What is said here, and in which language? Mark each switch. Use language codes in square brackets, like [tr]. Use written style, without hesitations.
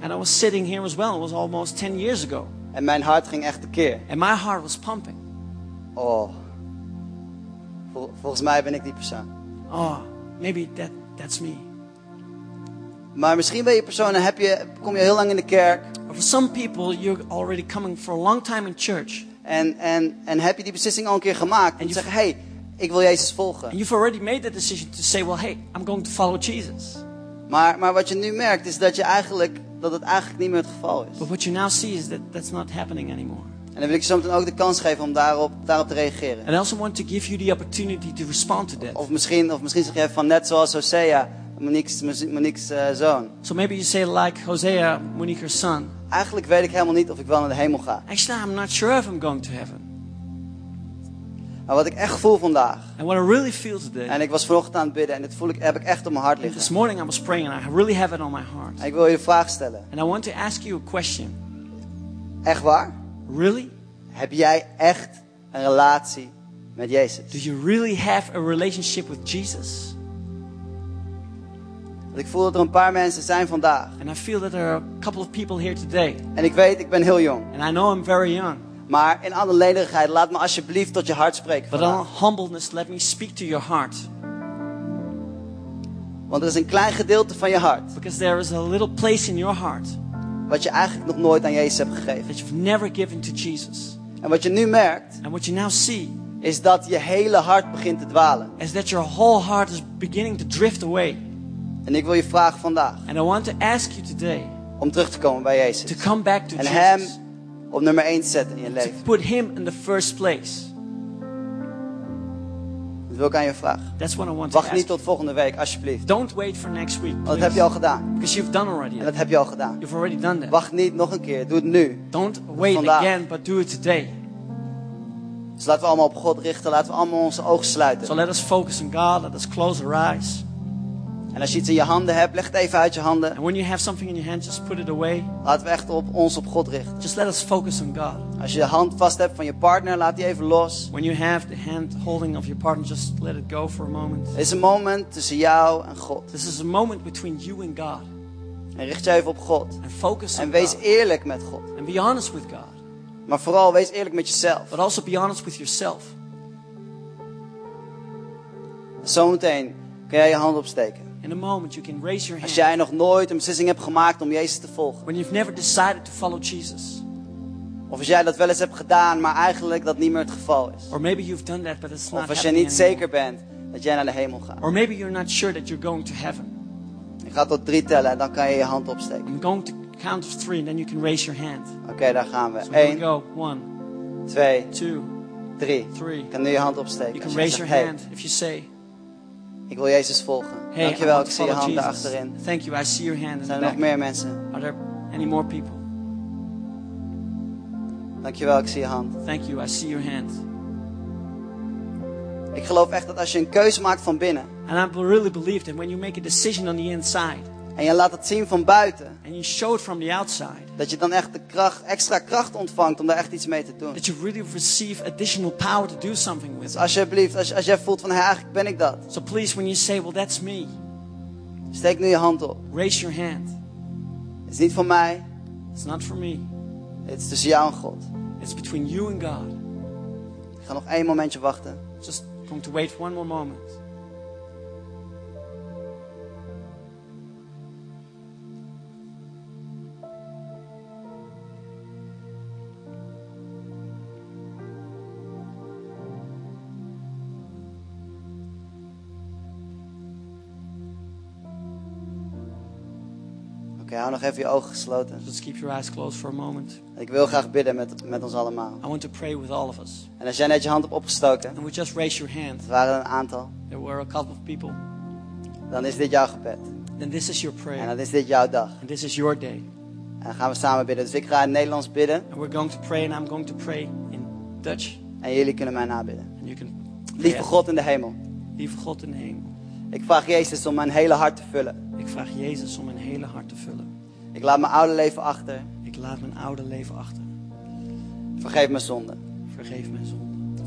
[en] And I was sitting here as well. It was almost 10 years ago. [nl] En mijn hart ging echt tekeer. [en] And my heart was pumping. Oh. [nl] Volgens mij ben ik die persoon. [en] Oh, maybe that's me. [nl] Maar misschien ben je persoon en kom je heel lang in de kerk. [en] But for some people, you're already coming for a long time in church. [nl] En heb je die beslissing al een keer gemaakt? En zeggen, hey, ik wil Jezus volgen. [en] And you've already made the decision to say, well, hey, I'm going to follow Jesus. [nl] Maar wat je nu merkt is dat je eigenlijk... dat het eigenlijk niet meer het geval is. [en] But what you now see is that that's not happening anymore. [nl] En dan wil ik je zometeen ook de kans geven om daarop te reageren. [en] And I also want to give you the opportunity to respond to that. [nl] Of misschien zeg je van net zoals Hosea, Monique's zoon. [en] So maybe you say like Hosea, Monique's son. [nl] Eigenlijk weet ik helemaal niet of ik wel naar de hemel ga. [en] Actually, I'm not sure if I'm going to heaven. [nl] Maar wat ik echt voel vandaag. [en] And what I really feel today. [nl] En ik was vanochtend aan het bidden en dit voel ik, heb ik echt op mijn hart liggen. [en] This morning I was praying and I really have it on my heart. [nl] En ik wil je een vraag stellen. [en] And I want to ask you a question. [nl] Echt waar? [en] Really? [nl] Heb jij echt een relatie met Jezus? [en] Do you really have a relationship with Jesus? [nl] Want ik voel dat er een paar mensen zijn vandaag. [en] And I feel that there are a couple of people here today. [nl] En ik weet, ik ben heel jong. [en] And I know I'm very young. [nl] Maar in alle nederigheid, laat me alsjeblieft tot je hart spreken. [en] But in humbleness, let me speak to your heart. [nl] Want er is een klein gedeelte van je hart. [en] Because there is a little place in your heart. [nl] Wat je eigenlijk nog nooit aan Jezus hebt gegeven. [en] That you've never given to Jesus. [nl] En wat je nu merkt. [en] And what you now see. [nl] Is dat je hele hart begint te dwalen. [en] Is that your whole heart is beginning to drift away. [nl] En ik wil je vragen vandaag. [en] And I want to ask you today. [nl] Om terug te komen bij Jezus. [en] To come back to [nl] en [en] Jesus. [nl] Hem op nummer 1 zetten in je [en] to [nl] leven. [en] Put Him in the first place. [nl] Dat wil ik aan je vragen. [en] That's what I want. [nl] Wacht [en] to [nl] niet [en] ask [nl] tot volgende week, alsjeblieft. [en] Don't wait for next week. [nl] Dat heb je al gedaan. [en] Because you've done already. [nl] En dat heb je al gedaan. [en] You've already done that. [nl] Wacht niet nog een keer. Doe het nu. [en] Don't wait [nl] vandaag. [en] Again, but do it today. [nl] Dus laten we allemaal op God richten. Laten we allemaal onze ogen sluiten. [en] So let us focus on God. Let us close our eyes. [nl] En als je iets in je handen hebt, leg het even uit je handen. [en] And when you have something in your hand, just put it away. [nl] Laten we echt op God richten. [en] Just let us focus on God. [nl] Als je de hand vast hebt van je partner, laat die even los. [en] When you have the hand holding of your partner, just let it go for a moment. [nl] Dit is een moment tussen jou en God. [en] This is a moment between you and God. [nl] En richt je even op God. [en] And focus [nl] en wees [en] God. [nl] Eerlijk met God. [en] And be honest with God. [nl] Maar vooral wees eerlijk met jezelf. [en] But also be honest with yourself. [nl] Zometeen kun jij je hand opsteken. [en] In a moment you can raise your hand. [nl] Als jij nog nooit een beslissing hebt gemaakt om Jezus te volgen. [en] When you've never decided to follow Jesus. [nl] Of als jij dat wel eens hebt gedaan, maar eigenlijk dat niet meer het geval is. [en] Or maybe you've done that, but it's not. [nl] Of als jij niet zeker bent dat jij naar de hemel gaat. [en] Or maybe you're not sure that you're going to heaven. [nl] Ik ga tot drie tellen en dan kan je je hand opsteken. [en] I'm going to count of three and then you can raise your hand. [nl] Oké, daar gaan we. [en] So 1, we go. 1, 2, 3. [nl] Ik kan nu je hand opsteken. [en] You can raise your hand if you say. [nl] Ik wil Jezus volgen. [en] Hey, [nl] dankjewel, ik zie je [en] hand [nl] daar achterin. [en] Thank you, I see your hand. [nl] Zijn er nog meer mensen? [en] Are there any more people? [nl] Dankjewel, ik zie je hand. [en] Thank you, I see your hand. [nl] Ik geloof echt dat als je een keuze maakt van binnen. [en] And I really believe that when you make a decision on the inside. [nl] En je laat het zien van buiten. [en] And you show it from the outside. [nl] Dat je dan echt de kracht, extra kracht ontvangt om daar echt iets mee te doen. [en] That you really receive additional power to do something with. [nl] Dus alsjeblieft, als jij voelt van, hey, eigenlijk ben ik dat. [en] So please, when you say, well, that's me. [nl] Steek nu je hand op. [en] Raise your hand. [nl] Het is niet voor mij. [en] It's not for me. [nl] Het is tussen jou en God. [en] It's between you and God. [nl] Ik ga nog één momentje wachten. [en] Just going to wait for one more moment. [nl] Hou nog even je ogen gesloten. [en] Just keep your eyes closed for a moment. [nl] Ik wil graag bidden met ons allemaal. [en] I want to pray with all of us. [nl] En als jij net je hand hebt opgestoken. [en] And we just raise your hand. [nl] Er waren een aantal. [en] There were a couple of people. [nl] Dan is dit jouw gebed. [en] Then this is your prayer. [nl] En dan is dit jouw dag. [en] And this is your day. [nl] En dan gaan we samen bidden. Dus ik ga in het Nederlands bidden. [en] And we're going to pray and I'm going to pray in Dutch. [nl] En jullie kunnen mij nabidden. [en] And you can pray. [nl] Lieve God in de hemel. Lieve God in de hemel. Ik vraag Jezus om mijn hele hart te vullen. Ik vraag Jezus om mijn hele hart te vullen. Ik laat mijn oude leven achter. Ik laat mijn oude leven achter. Vergeef mijn zonde. Vergeef mijn zonde.